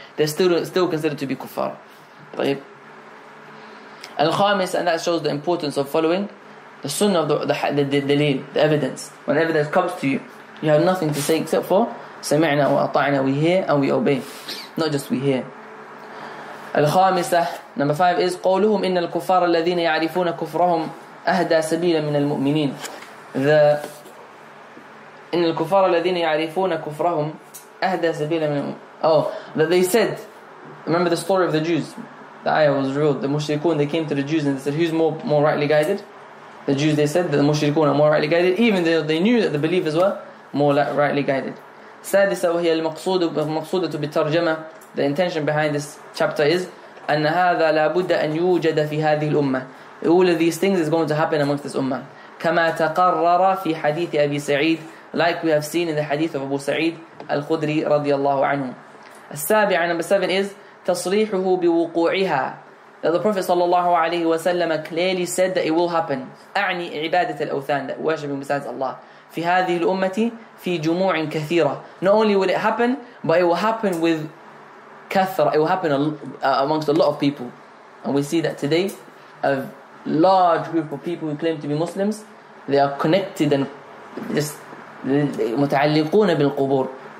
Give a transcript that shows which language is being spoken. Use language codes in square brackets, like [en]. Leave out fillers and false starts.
[en] They're still considered to be kuffar. Al-Khamis, and that shows the importance of following the sunnah of the dalil, the evidence. When evidence comes to you, you have nothing to say except for سمعنا وأطعنا, we hear and we obey, not just we hear. [ar] الخامسة, [en] number 5 is [ar] قولهم إن الكفار الذين يعرفون كفرهم أهدى سبيلا من المؤمنين. The إن الكفار الذين يعرفون كفرهم أهدى سبيلا من المؤمنين. [en] Oh, that they said, remember the story of the Jews, the ayah was revealed, the mushrikun, they came to the Jews and they said, who's more rightly guided? The Jews, they said that the mushrikun are more rightly guided, even though they knew that the believers were more rightly guided. [ar] سادسة, وهي المقصودة بالترجمة, [en] the intention behind this chapter is [ar] أن هذا لابد أن يوجد في هذه الأمة. [en] All of these things is going to happen amongst this ummah. [ar] كما تقرر في حديث أبي سعيد, [en] like we have seen in the hadith of Abu Sa'id Al-Khudri رضي الله عنه. [ar] السابعة, [en] number 7 is [ar] تصريحه بوقوعها, [en] that the Prophet صلى الله عليه وسلم clearly said that it will happen, [ar] أعني عبادة الأوثان, [en] that worshiping besides Allah, [ar] في هذه الأمة في جموع كثيرة. [en] Not only will it happen, but it will happen with kathra, it will happen amongst a lot of people. And we see that today, a large group of people who claim to be Muslims, they are connected and just [ar] متعلقون بالقبور.